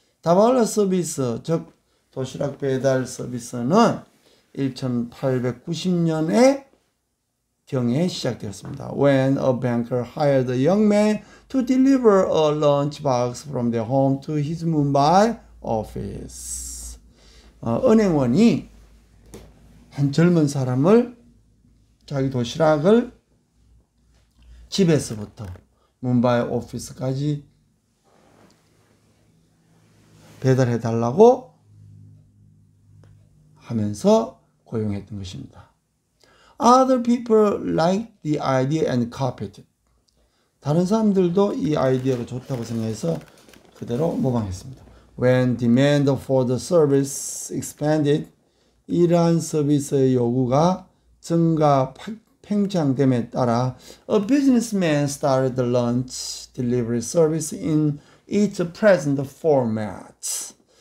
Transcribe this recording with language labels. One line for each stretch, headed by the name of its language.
Korean: 다바올라 서비스, 즉 도시락 배달 서비스는 1890년에 경에 시작되었습니다.
English: When a banker hired a young man to deliver a lunchbox from their home to his Mumbai office.
Korean: 은행원이 한 젊은 사람을 자기 도시락을 집에서부터 뭄바이 오피스까지 배달해 달라고 하면서 고용했던 것입니다.
English: Other people liked the idea and copied it.
Korean: 다른 사람들도 이 아이디어가 좋다고 생각해서 그대로 모방했습니다.
English: When demand for the service expanded,
Korean: 이러한 서비스의 요구가 증가 팽창됨에 따라
English: a businessman started the lunch delivery service in its present format.